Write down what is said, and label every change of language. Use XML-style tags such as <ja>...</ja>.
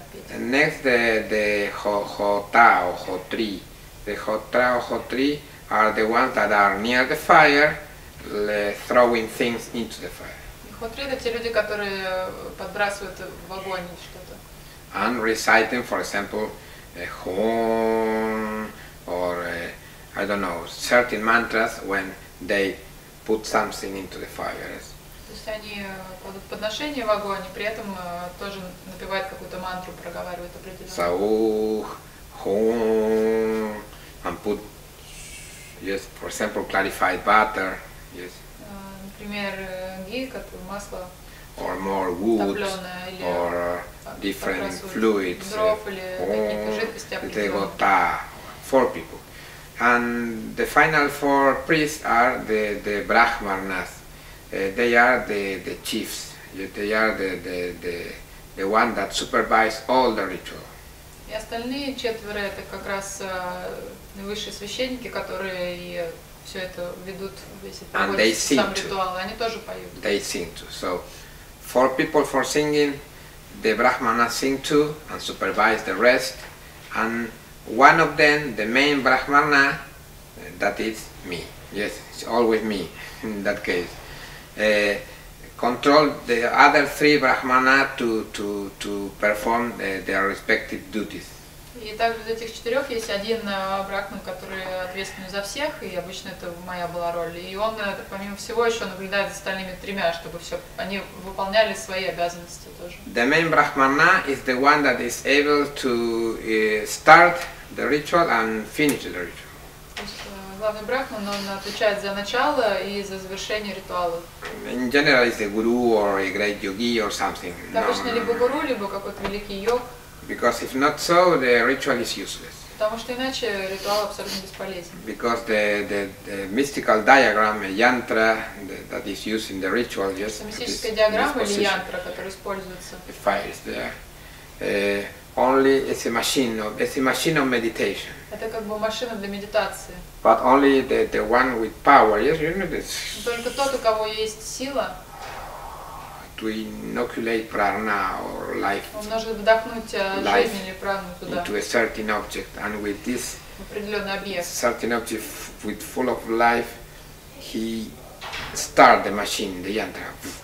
<en>And next, the Hotri are the ones that are near the fire, throwing things into the fire.</en> <ru>Хотри — это те люди, которые подбрасывают в огонь что-то.</ru> <en>And reciting, for example, a Hom, or I don't know, certain mantras when they put something into the fire.</en> <ru>То есть они кладут подношение в огонь, и при этом тоже напевают какую-то мантру, проговаривают определенную.</ru> <en>Саух, Хом, and put, yes, for example, clarified butter, yes.</en> <ru>Например, ги, как масло,</ru> <en>or more wood, or different fluids, the gota, four people, and the final four priests are the brahmanas. They are the chiefs. They are the one that supervise all the ritual.</en> <ru>И остальные четверо — это как раз высшие священники, которые все это ведут, весь этот сам ритуал, они тоже поют.</ru> <en>They sing too. So, four people for singing, the brahmana sing too and supervise the rest, and one of them, the main brahmana, that is me. Yes, it's always me in that case. Control the other three brahmana to perform their respective duties.</en> <ru>И также из этих четырех есть один брахман, который ответственный за всех, и обычно это моя была роль. И он, помимо всего, еще наблюдает за остальными тремя, чтобы все они выполняли свои обязанности тоже.</ru> <en>The main brahmana is the one that is able to start the ritual and finish the ritual.</en> <ru>То есть главный брахман, он отвечает за начало и за завершение ритуала.</ru> <en>In general, it's a guru or a great yogi or something.</en> <ru>Это обычно либо гуру, либо какой-то великий йог.</ru> <en>Because if not so, the ритуал is useless.</en> <ru>Потому что иначе ритуал абсолютно бесполезен.</ru> <en>Because the mystical diagram, yantra, that is used in the ritual, yes.</en> <ru>Мистическая диаграмма или янтра, которая используется.</ru> <en>The fire is there. Only it's a machine. It's a machine of meditation.</en> <ru>Это как бы машина для медитации.</ru> <en>But only the one with power, yes, you know this.</en> <ru>Только тот, у кого есть сила.</ru> <en>To inoculate prana or life into a certain object, and with this certain object with full of life, he start the machine, the yantra.</en>